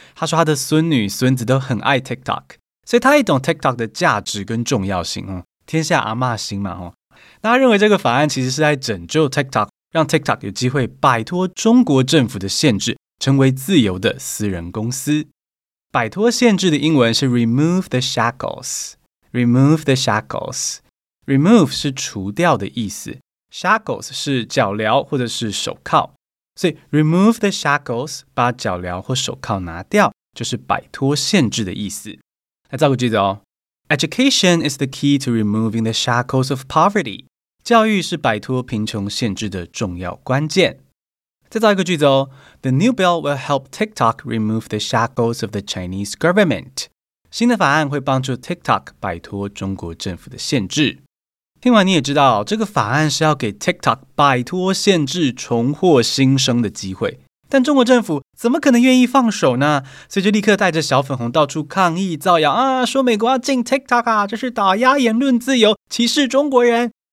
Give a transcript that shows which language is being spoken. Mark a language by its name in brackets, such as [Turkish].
[Chinese] 他说他的孙女孙子都很爱 TikTok， 所以他也懂 TikTok 的价值跟重要性、哦、天下阿嬷心嘛、哦、那他认为这个法案其实是在拯救 TikTok， 让 TikTok 有机会摆脱中国政府的限制，成为自由的私人公司。摆脱限制的英文是 remove the shacklesRemove the shackles. Remove 是除掉的意思， shackles 是脚镣或者是手铐，所以 remove the shackles 把脚镣或手铐拿掉，就是摆脱限制的意思。来造个句子哦。 [English] Education is the key to removing the shackles of poverty. [Chinese] 教育是摆脱贫穷限制的重要关键。再造一个句子哦。 [English] The new bill will help TikTok remove the shackles of the Chinese government. [Chinese] 新的法案会帮助 TikTok 摆脱中国政府的限制。听完你也知道，这个法案是要给 TikTok 摆脱限制，重获新生的机会。但中国政府怎么可能愿意放手呢？所以就立刻带着小粉红到处抗议造谣啊，说美国要禁 TikTok 啊，这是打压言论自由，歧视中国人。